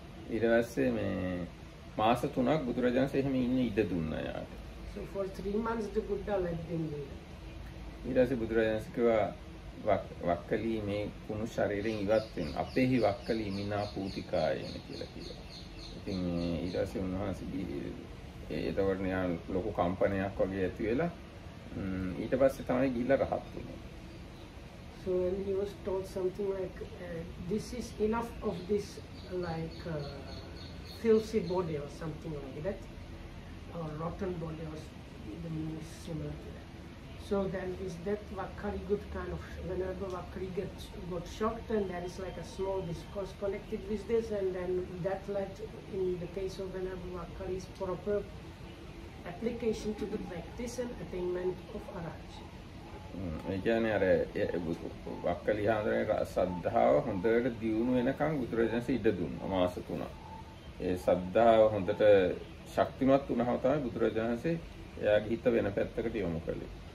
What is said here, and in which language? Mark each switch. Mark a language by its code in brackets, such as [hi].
[si] ඊට පස්සේ මේ මාස 3ක් බුදුරජාණන්සේ එහෙම ඉන්න ඉඩ දුන්නා යාට. [en] So for 3 months the Buddha let him live. [si] ඊට පස්සේ බුදුරජාණන්සේ කිව්වා වක්කලි මේ කුණු ශරීරයෙන් ඉවත් වෙන අපේහි වක්කලි මිනා පූතිකායන කියලා කියනවා. ඉතින් ඊට පස්සේ උන්වහන්සේ එතකොට නිකන් ලොකු කම්පනයක් වගේ ඇති වෙලා ඊට පස්සේ තමයි ගිහිල්ලා රහත් වුණේ. [en] So when he was told something like this is enough of this like filthy body or something like that or rotten body or the meaning is similar to that. So then is that Vakkali good kind of, whenever Vakkali got shocked and there is like a small discourse connected with this and then that led in the case of whenever Vakkali's proper application to the practice and attainment of Arahatship. [si] ඒ කියන්නේ අර වක්කලි හාමුදුරේ සද්ධාව හොඳට දියුණු වෙනකන් බුදුරජාණන්සේ ඉඩ දුන්නා මාස 3ක්. ඒ සද්ධාව හොඳට ශක්තිමත් වුණාම තමයි බුදුරජාණන්සේ එයාගේ හිත වෙන පැත්තකට යොමු කළේ.